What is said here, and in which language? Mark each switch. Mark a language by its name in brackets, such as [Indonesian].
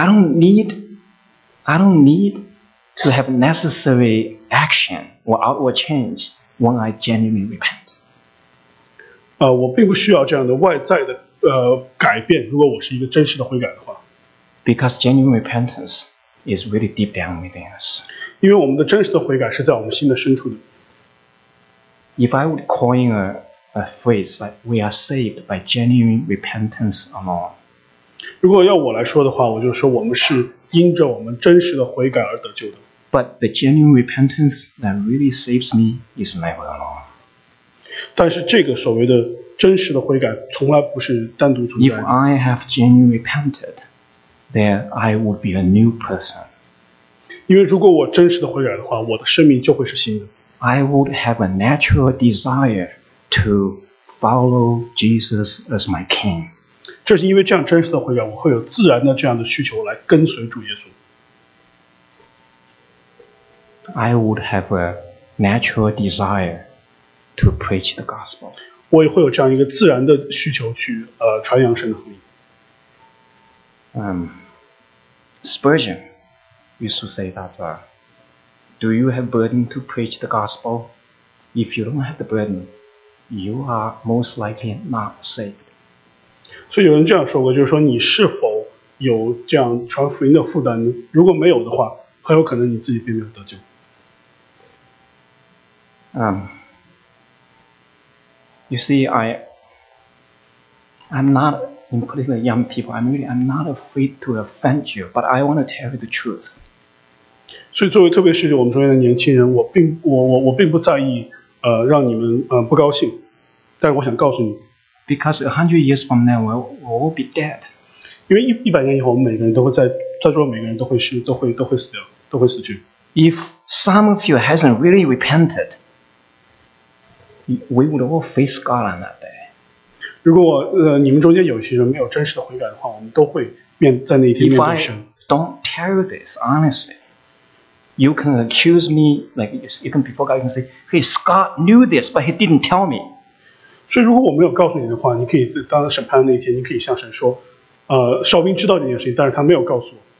[English] I don't need to have necessary action or outward change when I genuinely repent. [Chinese] 我并不需要这样的外在的改变，如果我是一个真实的悔改的话。 [English] Because genuine repentance is really deep down within us. [Chinese] 因为我们的真实的悔改是在我们心的深处的。 [English] If I would coin a phrase like we are saved by genuine repentance alone. [Chinese] 如果要我来说的话，我就说我们是因着我们真实的悔改而得救的。 [English] But the genuine repentance that really saves me is never alone. [Chinese] 但是这个所谓的真实的悔改从来不是单独存在。 [English] If I have genuinely repented, then I would be a new person. [Chinese] 因为如果我真实的悔改的话，我的生命就会是新的。 [English] I would have a natural desire to follow Jesus as my King. [Chinese] 这是因为这样真实的悔改，我会有自然的这样的需求来跟随主耶稣。 [English] I would have a natural desire to preach the gospel. [Chinese] 我也会有这样一个自然的需求去传扬神的福音。 [English] Spurgeon used to say that. Do you have burden to preach the gospel? If you don't have the burden, you are most likely not saved. [Chinese] 所以有人这样说过，就是说你是否有这样传福音的负担呢？如果没有的话，很有可能你自己并没有得救。 [English] You see, I'm not, in particular young people, I'm not afraid to offend you, but I want to tell you the truth. [Chinese] 所以作为特别是我们中间的年轻人，我并不在意让你们不高兴，但是我想告诉你 [English] ，because 100 years from now we will be dead， [Chinese] 因为100年以后，我们每个人都会在座每个人都会死掉，都会死去。 [English] If some of you hasn't really repented， we would all face God on that day。 [Chinese] 如果你们中间有些人没有真实的悔改的话，我们都会在那一天面对神。 [English] If I don't tell you this honestly。 You can accuse me, like you can before God, you can say, hey, Scott knew this, but he didn't tell me. [Chinese] 所以如果我没有告诉你的话，你可以当审判那一天，你可以向神说，哨兵知道这件事情，但是他没有告诉我。